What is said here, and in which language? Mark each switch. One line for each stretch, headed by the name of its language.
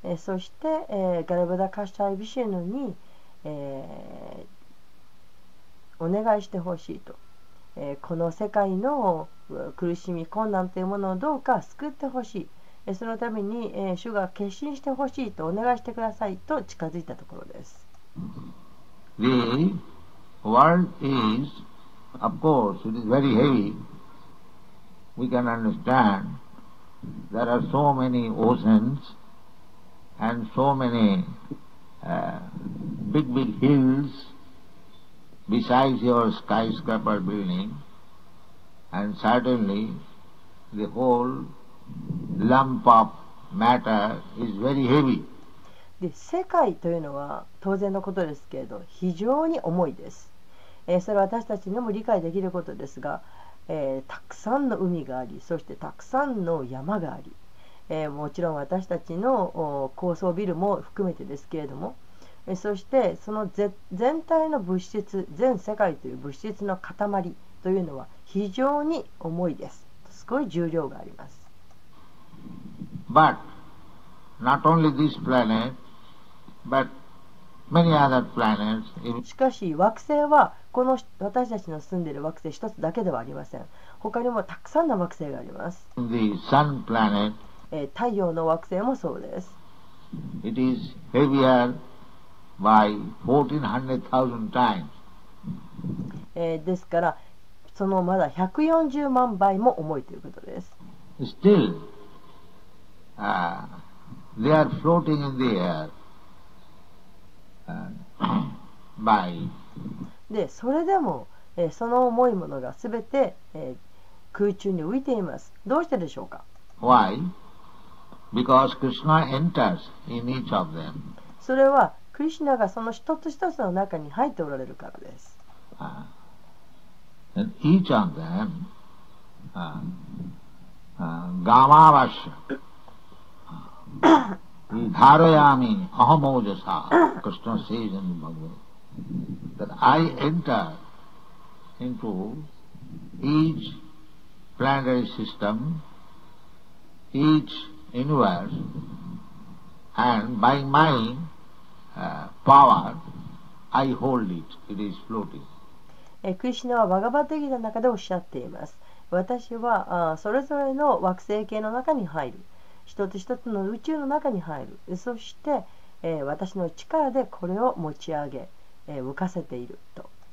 Japanese: そして、ガルバダカシャイビシヌに、お願いしてほしいと、この世界の苦しみ困難というものをどうか救ってほしい。そのために、主が決心してほしいとお願いしてくださいと近づいたところです。
English: The world is, of course, it is very heavy. We can understand there are so many oceans and so many big hills besides your skyscraper building, and certainly the whole lump of matter is very heavy.
Japanese: で、世界というのは当然のことですけれど非常に重いです。それは私たちにも理解できることですが、たくさんの海があり、そしてたくさんの山があり、もちろん私たちの高層ビルも含めてですけれども、そしてその全体の物質、全世界という物質の塊というのは非常に重いです。すごい重量があります。
English: But not only this planet but many other planets.
Japanese: しかし惑星はこの私たちの住んでいる惑星一つだけではありません。他にもたくさんの惑星があります。
English: The sun planet、
Japanese: 太陽の惑星もそうです。
English: It is heavier by 1400,000 times、
Japanese: ですからそのまだ140万倍も重いということです。
English: Still、they are floating in the air、by
Japanese: でそれでも、その重いものがすべて、空中に浮いています。どうしてでしょうか。
English: Why? Because Krishna enters in each of them.
Japanese: それはクリシナがその一つ一つの中に入っておられるからです。
English: And each of them
Sanskrit: Gamavasya Dharayami Ahamojasa
English: Krishna says in the Bhagavad GitaThat I enter into each planetary system, each universe, and by my power, I hold it. It is floating.
Japanese: クリシナはバガバッドギータの中でおっしゃっています。私はそれぞれの惑星系の中に入る。一つ一つの宇宙の中に入る。そして、私の力でこれを持ち上げ。浮かせていると。